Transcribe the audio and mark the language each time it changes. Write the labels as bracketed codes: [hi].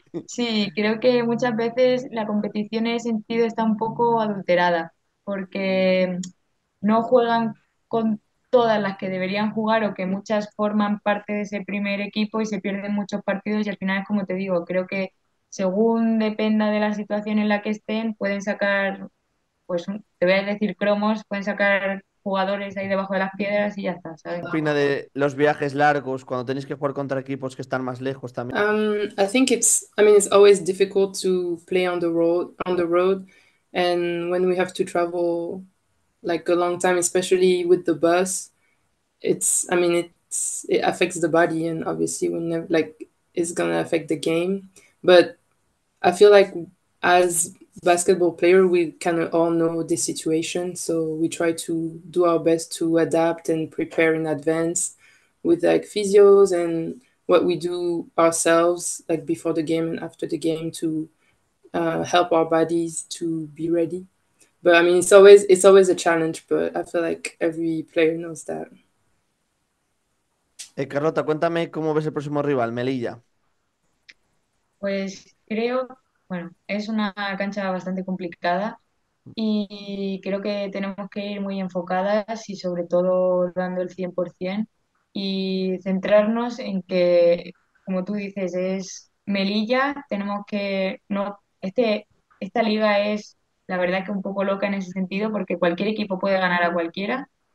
[es] Sí, creo que muchas veces la competición en ese sentido está un poco adulterada, porque no juegan con todas las que deberían jugar o que muchas forman parte de ese primer equipo y se pierden muchos partidos y al final es como te digo, creo que según dependa de la situación en la que estén, pueden sacar, pues te voy a decir cromos, pueden sacar jugadores ahí debajo de las piedras y ya está, ¿sabes? ¿Qué opina de los viajes largos cuando tenéis que jugar contra equipos que están más lejos también? [en] I think it's always difficult to play on the road, and when we have to travel like a long time, especially with the bus, it affects the body, and obviously we never, like it's gonna affect the game. But I feel like as basketball player, we kind of all know the situation, so we try to do our best to adapt and prepare in advance with like physios and what we do ourselves, like before the game and after the game, to help our bodies to be ready. But I mean, it's always a challenge, but I feel like every player knows that. [es] Carlota, cuéntame cómo ves el próximo rival, Melilla. Pues creo. Bueno, es una cancha bastante complicada y creo que tenemos que ir muy enfocadas y sobre todo dando el 100% y centrarnos en que, como tú dices, es Melilla, tenemos que no esta liga es la verdad que un poco loca en ese sentido porque cualquier equipo puede ganar a cualquiera